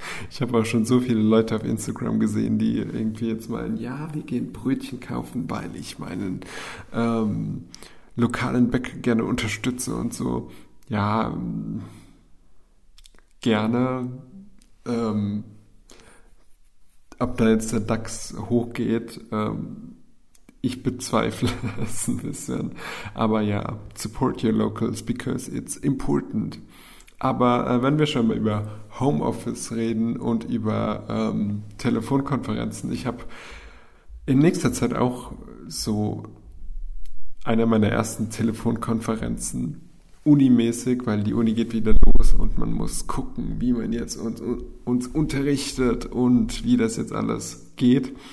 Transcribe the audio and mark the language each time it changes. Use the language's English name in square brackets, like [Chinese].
[German] Ich habe auch schon so viele Leute auf Instagram gesehen, die irgendwie jetzt meinen, ja, wir gehen Brötchen kaufen, weil ich meinen lokalen Bäcker gerne unterstütze und so. Ja, gerne. Ob da jetzt der DAX hochgeht, ich bezweifle es ein bisschen. Aber ja, [English] support your locals because it's important. [German] Aber wenn wir schon mal über Homeoffice reden und über Telefonkonferenzen, ich habe in nächster Zeit auch so eine meiner ersten Telefonkonferenzen unimäßig, weil die Uni geht wieder los und man muss gucken, wie man jetzt uns unterrichtet und wie das jetzt alles geht.